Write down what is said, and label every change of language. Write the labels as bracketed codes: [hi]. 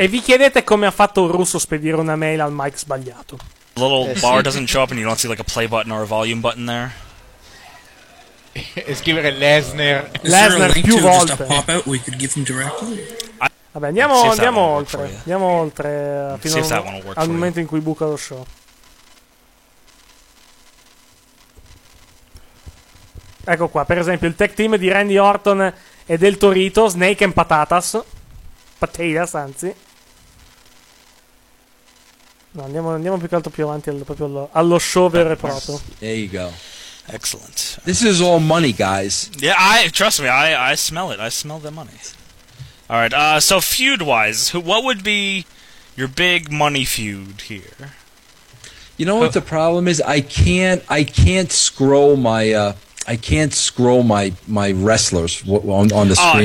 [it] E vi chiedete come ha fatto Russo spedire una mail al Mike sbagliato. [en] A little bar doesn't show up and you don't see like a play button or a volume button there? [it] E scrivere Lesnar. Lesnar più volte. Vabbè, andiamo oltre fino al momento in cui buca lo show. Ecco qua, per esempio, il tag team di Randy Orton e del Torito, Snake and Patatas. Patatas, anzi. No, andiamo più che altro più avanti proprio allo show vero e proprio. [en] There you go. Excellent. This is all money, guys. Yeah, I smell it. I smell the money. All right. So feud-wise, what would be your big money feud here? You know what the problem is? I can't scroll my wrestlers on the screen.